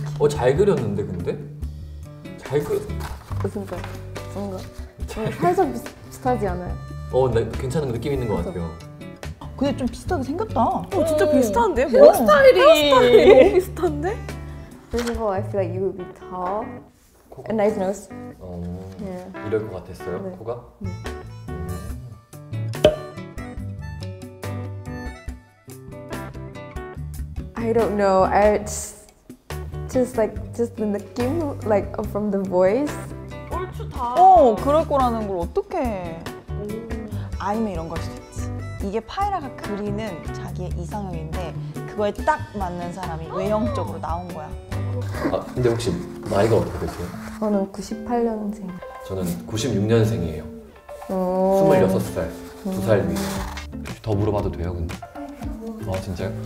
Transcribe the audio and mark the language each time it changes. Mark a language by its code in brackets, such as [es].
[ko] 잘 그렸는데 근데? 잘 그렸어. 그러니까 뭔가 살짝 비슷하지 않아요? 괜찮은 느낌 있는 것 같아요. 근데 좀 비슷하게 생겼다. 진짜 비슷한데? 헤어스타일이 너무 비슷한데? [en] First of all, I feel like you would be tall. A nice nose. [ko] Yeah. 이럴 것 같았어요, 네. 코가? [en] 네. I don't know. I just the 느낌, like from the voice. [ko] 얼추 다. 그럴 거라는 걸 어떻게? 아니면 이런 걸 수도 있지. 이게 파이라가 그리는 자기의 이상형인데 그거에 딱 맞는 사람이 외형적으로 나온 거야. 아, 근데 혹시 나이가 어떻게 되세요? 저는 98년생. 저는 96년생이에요. 26살. 2살 위에. 더 물어봐도 돼요, 근데? 아, 진짜요?